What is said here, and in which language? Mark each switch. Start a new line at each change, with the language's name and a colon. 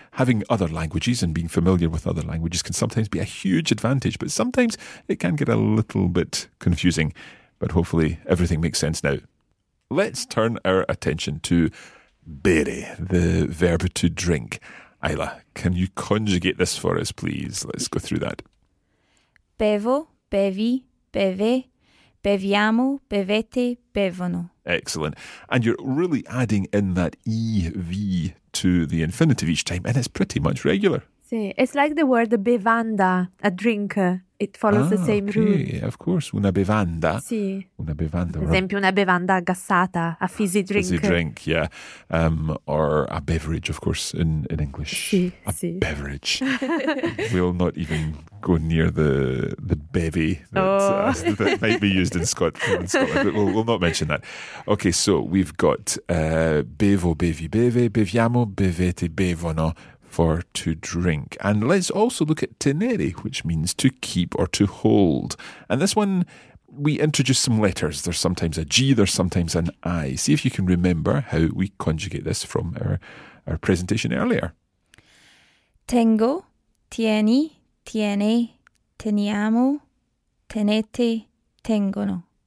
English: Having other languages and being familiar with other languages can sometimes be a huge advantage, but sometimes it can get a little bit confusing. But hopefully everything makes sense now. Let's turn our attention to bere, the verb to drink. Ayla, can you conjugate this for us, please? Let's go through that.
Italian: Bevo, bevi, beve, beviamo, bevete, bevono.
English: Excellent. And you're really adding in that EV to the infinitive each time, and it's pretty much regular. Sì, it's like the word bevanda, a drink. It follows the same rule. Okay, of course.
Italian: Una bevanda. Sì. Una bevanda. Per esempio, una bevanda gassata,
English: a fizzy drink. Fizzy drink, yeah. Or a beverage, of course, in English.
Italian: Sì, a sì.
English: Beverage. We'll not even go near the bevy that might be used in Scotland, but we'll not mention that. Okay, so we've got bevo, bevi, beve, beviamo, bevete, bevono. For to drink. And let's also look at tenere, which means to keep or to hold. And this one, we introduce some letters. There's sometimes a G, there's sometimes an I. See if you can remember how we conjugate this from our presentation earlier.
Italian: Tengo, tieni, tiene, teniamo, tenete, tengono.